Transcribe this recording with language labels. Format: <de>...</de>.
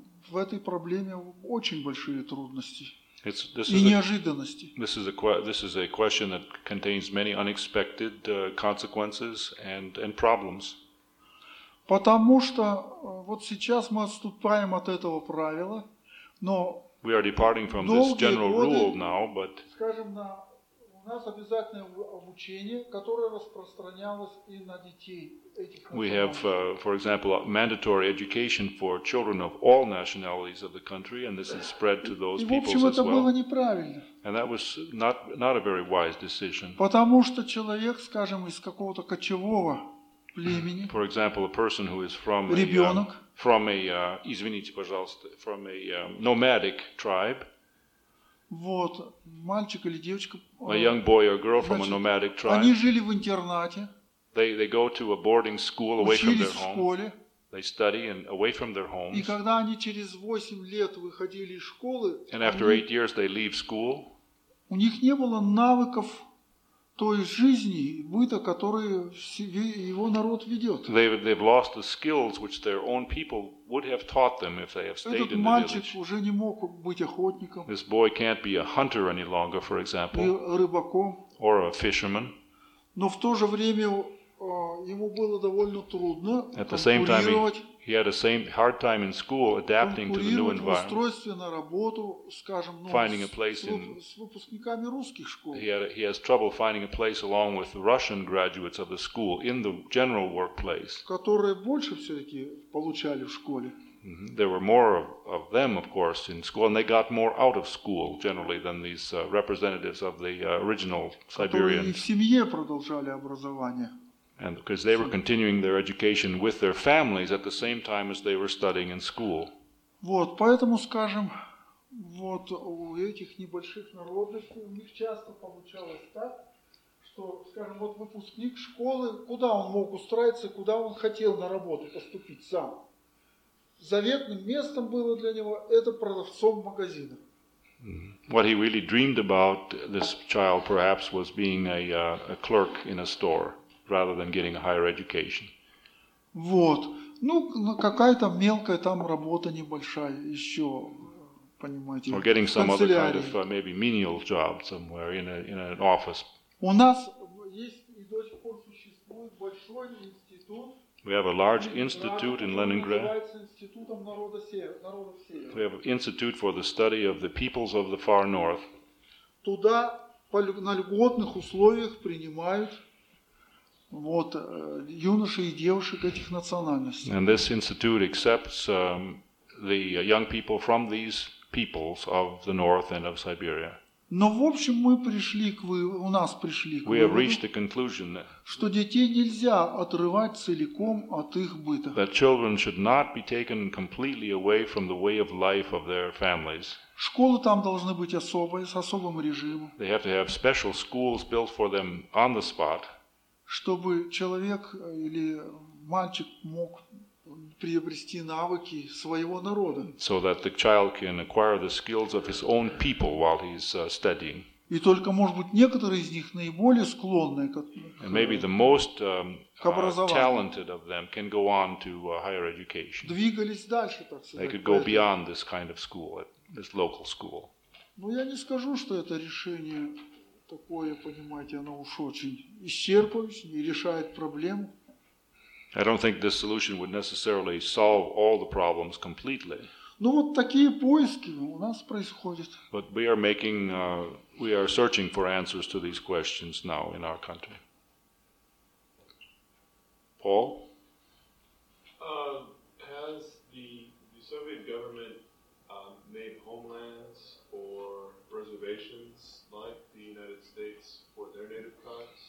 <ru>В этой проблеме очень большие трудности.</ru> <en>It's, this</en> <ru>и</ru> <en>is</en> <ru>неожиданности.</ru> <en>A, this is a question that contains many unexpected consequences and problems.</en> <ru>Потому что вот сейчас мы отступаем от этого правила, но</ru> <en>we are departing from this general rule now, but</en> <ru>скажем, на, у нас обязательное обучение, которое распространялось и на детей этих.</ru> <en>We have, for example, a mandatory education for children of all nationalities of the country, and this is spread to those peoples as well.</en> <ru>И в общем, это было неправильно.</ru> <en>And that was not not a very wise decision.</en> <ru>Потому что человек, скажем, из какого-то кочевого племени.</ru> <en>For example, a person who is from</en> <ru>ребенок,</ru> <en>a from a</en> <ru>извините, пожалуйста,</ru> <en>from a nomadic tribe.</en> <ru>Вот, мальчик или девочка,</ru> <en>a young boy or girl from</en> <ru>значит,</ru> <en>a nomadic tribe.</en> <ru>Они жили в интернате.</ru> <en>They go to a boarding school away from their home.</en> <ru>Школе.</ru> <en>They study and away from their homes.</en> <ru>И когда они через 8 лет выходили из школы,</ru> <en>and after 8 years they leave school.</en> <ru>У них не было навыков той жизни и быта, которую его народ ведет.</ru> <en>They've lost the skills which their own people would have taught them if they have stayed in the village.</en> <ru>Этот мальчик уже не мог быть охотником.</ru> <en>This boy can't be a hunter any longer, for example.</en> <ru>Рыбаком.</ru> <en>Or a fisherman.</en> <ru>Но в то же время ему было довольно трудно конкурировать.</ru> <en>At the same time, he had a same hard time in school adapting to the new environment.</en> <ru>Устройство на работу, скажем,</ru> <en>finding a place</en> <ru>с выпускниками русских школ.</ru> <en>He has trouble finding a place along with the Russian graduates of the school in the general workplace.</en> <ru>Которые больше все-таки получали в школе.</ru> <en>There were more of them, of course, in school, and they got more out of school generally than these representatives of the original Siberians.</en> <ru>Которые и в семье продолжали образование.</ru> <en>And because they were continuing their education with their families at the same time as they were studying in school.</en> <ru>Вот, поэтому, скажем, вот у этих небольших народностей у них часто получалось так, что, скажем, вот выпускник школы, куда он мог устроиться, куда он хотел на работу поступить сам. Заветным местом было для него это продавцом магазина.</ru> <en>What he really dreamed about, this child perhaps, was being a clerk in a store. Rather than getting a higher education.</en> <ru>Вот. Ну, какая-то мелкая там работа небольшая еще, понимаете,</ru> <en>or getting some other kind of maybe menial job somewhere in an office.</en> <ru>У нас есть и до сих пор существует большой институт.</ru> <en>We have a large institute in Leningrad.</en> <ru>Называется институтом народа севера.</ru> <en>We have an institute for the study of the peoples of the far north.</en> <ru>Туда на льготных условиях принимают вот, юноши и девушек этих национальностей.</ru> <en>And this institute accepts the young people from these peoples of the north and of Siberia.</en> <ru>Но, в общем, мы пришли к выводу, у нас пришли к выводу,</ru> <en>we have reached the conclusion that,</en> <ru>что детей нельзя отрывать целиком от их быта.</ru> <en>That children should not be taken completely away from the way of life of their families.</en> <ru>Школы там должны быть особые, с особым режимом.</ru> <en>They have to have special schools built for them on the spot.</en> <ru>Чтобы человек или мальчик мог приобрести навыки своего народа.</ru> <en>So that the child can acquire the skills of his own people while he's studying.</en> <ru>И только, может быть, некоторые из них наиболее склонные к образованию.</ru> <en>And maybe the most talented of them can go on to higher education.</en> <ru>Двигались дальше, так сказать.</ru> <en>They could go beyond this kind of school, this local school.</en> <ru>Но я не скажу, что это решение такое, понимаете, оно уж очень исчерпывающее, не решает проблем.</ru> <en>I don't think this solution would necessarily solve all the problems completely.</en> <ru>Ну вот такие поиски у нас происходят.</ru> <en>But we are making, we are searching for answers to these questions now in our country. Paul? Has the Soviet government made homelands or reservations like the United States for their native tribes?</en>